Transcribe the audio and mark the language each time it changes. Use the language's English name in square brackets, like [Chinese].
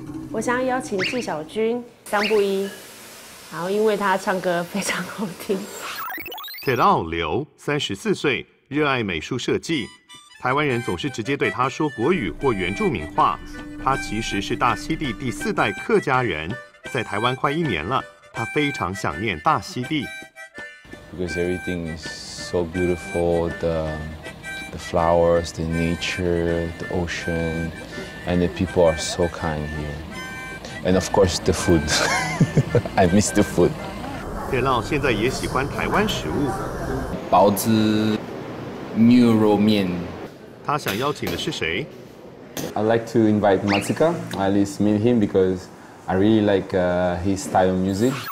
[Chinese] 我想邀请纪晓君、张布衣，然后因为他唱歌非常好听。铁道刘34岁，热爱美术设计，台湾人总是直接对他说国语或原住民话，他其实是大溪地第四代客家人，在台湾快一年了。他非常想念大溪地。 [English] Because everything is so beautiful, the flowers, the nature, the ocean, and the people are so kind here. And of course, the food. I miss the food. [Chinese] 铁烙现在也喜欢台湾食物，包子、牛肉面。他想邀请的是谁 [English] ？I'd like to invite Matsuka. At least meet him because. I really like his style of music.